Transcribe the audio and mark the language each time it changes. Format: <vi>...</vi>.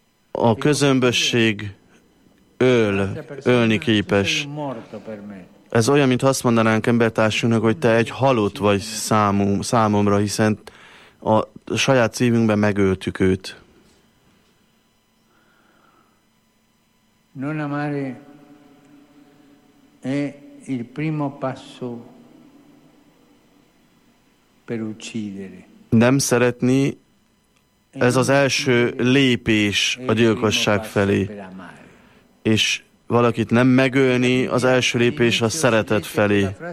<hu>A közömbösség ölni képes. Ez olyan, mintha azt mondanánk embertársunknak, hogy te egy halott vagy számomra, hiszen a saját szívünkben megöltük őt.</hu> <it>Non amare è il primo passo per uccidere.</it> <hu>Nem szeretni, ez az első lépés a gyilkosság felé. És valakit nem megölni, az első lépés a szeretet felé.</hu>